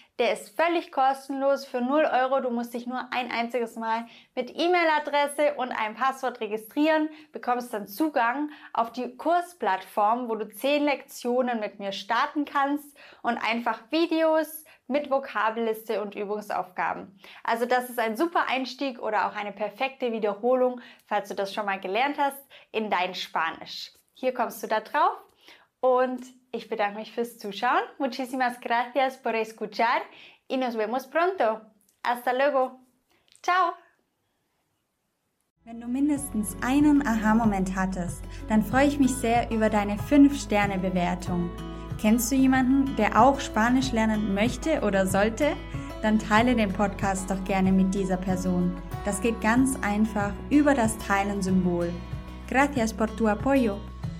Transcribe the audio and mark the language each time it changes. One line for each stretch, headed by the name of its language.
German: Der ist völlig kostenlos für 0 Euro. Du musst dich nur ein einziges Mal mit E-Mail-Adresse und einem Passwort registrieren, bekommst dann Zugang auf die Kursplattform, wo du 10 Lektionen mit mir starten kannst und einfach Videos mit Vokabelliste und Übungsaufgaben. Also das ist ein super Einstieg oder auch eine perfekte Wiederholung, falls du das schon mal gelernt hast, in dein Spanisch. Hier kommst du da drauf und ich bedanke mich fürs Zuschauen.
Spanish: Muchísimas gracias por escuchar y nos vemos pronto. Hasta luego. Ciao.
German: Wenn du mindestens einen Aha-Moment hattest, dann freue ich mich sehr über deine 5-Sterne-Bewertung. Kennst du jemanden, der auch Spanisch lernen möchte oder sollte? Dann teile den Podcast doch gerne mit dieser Person. Das geht ganz einfach über das Teilen-Symbol.
Spanish: Gracias por tu apoyo.